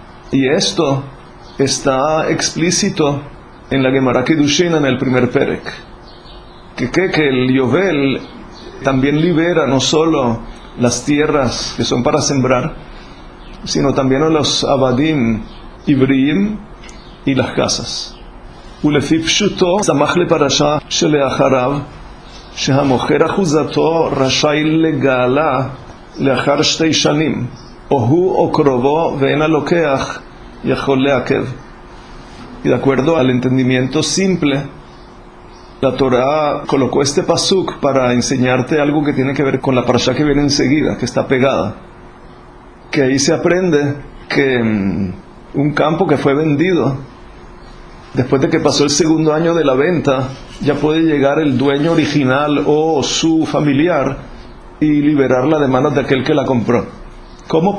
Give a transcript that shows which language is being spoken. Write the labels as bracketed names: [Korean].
[Spanish] Y esto está explícito en la Gemara Kidushin en el primer perek. que el Yovel también libera no solo las tierras que son para sembrar, sino también a los Abadim Ibrim y las casas. [Hebrew] ולפי פשוטו, סמך לפרשה שלאחריו, שהמוכר אחוזתו רשאי לגאלה לאחר שתי שנים, או הוא או קרובו, ואין הלוקח יכול לעכב. [Spanish] Y de acuerdo al entendimiento simple, la Torah colocó este pasuk para enseñarte algo que tiene que ver con la parasha que viene enseguida, que está pegada. Que ahí se aprende que un campo que fue vendido, después de que pasó el segundo año de la venta, ya puede llegar el dueño original o su familiar y liberar la demanda de aquel que la compró. ¿Cómo?